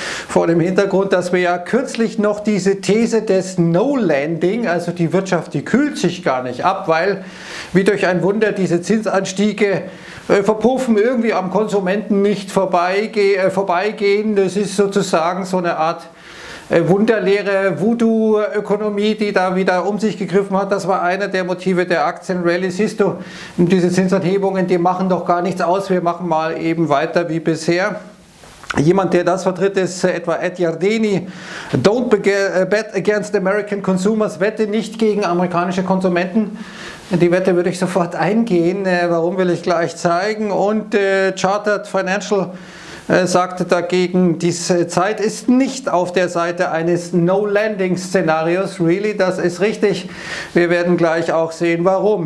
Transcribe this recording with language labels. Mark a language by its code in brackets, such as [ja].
[de] vor dem Hintergrund, dass wir ja kürzlich noch diese These des No Landing, also die Wirtschaft, die kühlt sich gar nicht ab, weil wie durch ein Wunder diese Zinsanstiege verpuffen, irgendwie am Konsumenten nicht vorbeigehen, das ist sozusagen so eine Art Wunderlehre, Voodoo-Ökonomie, die da wieder um sich gegriffen hat. Das war einer der Motive der Aktienrallye. Siehst du, diese Zinsanhebungen, die machen doch gar nichts aus. Wir machen mal eben weiter wie bisher. Jemand, der das vertritt, ist etwa Ed Yardeni. [en] Don't bet against American consumers. [de] Wette nicht gegen amerikanische Konsumenten. Die Wette würde ich sofort eingehen. Warum, will ich gleich zeigen. Und Chartered Financial sagte dagegen, die Zeit ist nicht auf der Seite eines No-Landing-Szenarios. Really, das ist richtig. Wir werden gleich auch sehen, warum.